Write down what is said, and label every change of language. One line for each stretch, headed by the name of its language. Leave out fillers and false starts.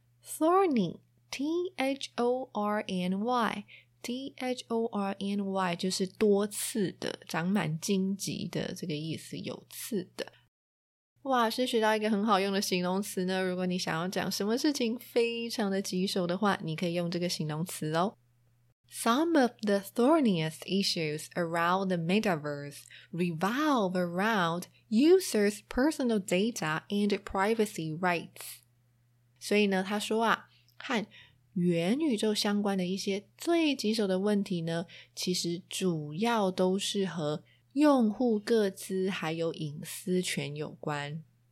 Chinese: Thorny, T-H-O-R-N-Y,T-H-O-R-N-Y 就是多刺的，长满荆棘的这个意思，有刺的。哇，是学到一个很好用的形容词呢。如果你想要讲什么事情非常的棘手的话，你可以用这个形容词哦。
English: Some of the thorniest issues around the metaverse revolve around users' personal data and privacy rights.
Chinese: 所以呢他说啊，和元宇宙相关的一些最棘手的问题呢，其实主要都是和用户个资还有隐私权有关。